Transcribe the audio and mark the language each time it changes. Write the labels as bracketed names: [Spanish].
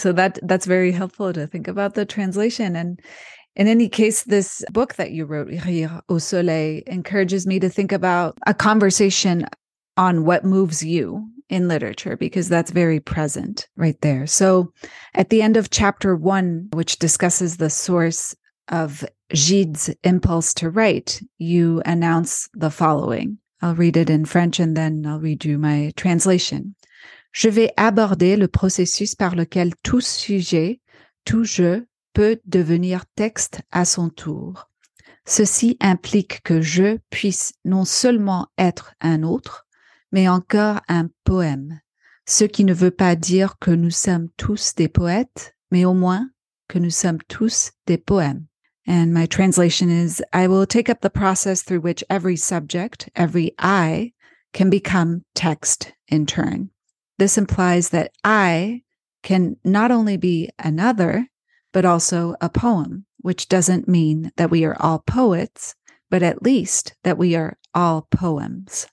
[English] So that's very helpful to think about the translation. And in any case, this book that you wrote, Rire au Soleil, encourages me to think about a conversation on what moves you in literature, because that's very present right there. So at the end of chapter one, which discusses the source of Gide's impulse to write, you announce the following. I'll read it in French and then I'll read you my translation. [French] Je vais aborder le processus par lequel tout sujet, tout jeu, peut devenir texte à son tour. Ceci implique que je puisse non seulement être un autre, mais encore un poème, ce qui ne veut pas dire que nous sommes tous des poètes, mais au moins que nous sommes tous des poèmes. [English] And my translation is, I will take up the process through which every subject, every I, can become text in turn. This implies that I can not only be another, but also a poem, which doesn't mean that we are all poets, but at least that we are all poems.